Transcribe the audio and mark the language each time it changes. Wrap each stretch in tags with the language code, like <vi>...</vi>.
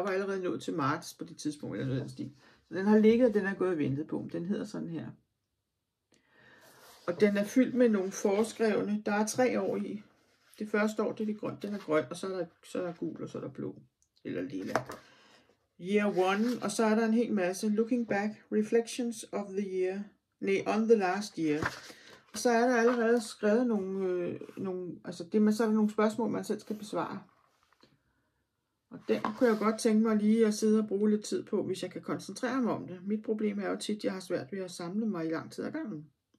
<da>Jeg var allerede nået til marts på det tidspunkt, eller noget stil. Så den har ligget, og den er gået og ventet på. Den hedder sådan her. Og den er fyldt med nogle foreskrevne. Der er 3 år i. Det første år, det er det grønt. Den er grøn, og så er der gul, og så er der blå. Eller lilla.</da> <en>Year one,</en> <da>og så er der en hel masse.</da> <en>Looking back, reflections of the year.</en> <da>Nej,</da> <en>on the last year.</en> <da>Så er der allerede skrevet nogle spørgsmål, man selv skal besvare. Og den kunne jeg godt tænke mig lige at sidde og bruge lidt tid på, hvis jeg kan koncentrere mig om det. Mit problem er jo tit, at jeg har svært ved at samle mig i lang tid ad gangen.</da>